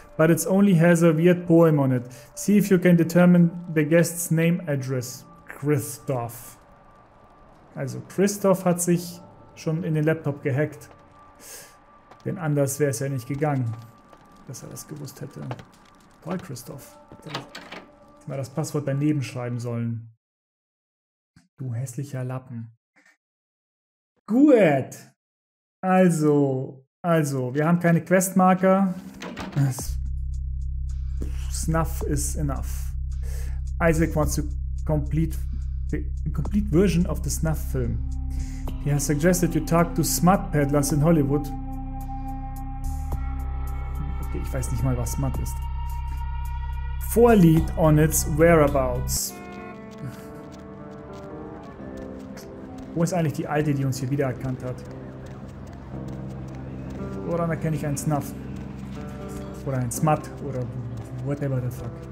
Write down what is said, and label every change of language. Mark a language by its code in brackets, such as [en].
[en] But it only has a weird poem on it. See if you can determine the guest's name address. [de] Christoph. Also Christoph hat sich schon in den Laptop gehackt. Denn anders wäre es ja nicht gegangen, dass er das gewusst hätte. Toll, Christoph. Hätte mal das Passwort daneben schreiben sollen. Du hässlicher Lappen. Gut. Also, wir haben keine Questmarker. [en] Snuff is enough. Isaac wants to complete the complete version of the snuff film. He has suggested you talk to smut peddlers in Hollywood. [de] Okay, ich weiß nicht mal, was smut ist. [en] For lead on its whereabouts. [de] Wo ist eigentlich die Alte, die uns hier wiedererkannt hat? Woran erkenne ich einen Snuff? Oder einen Smut? Oder [en] whatever the fuck.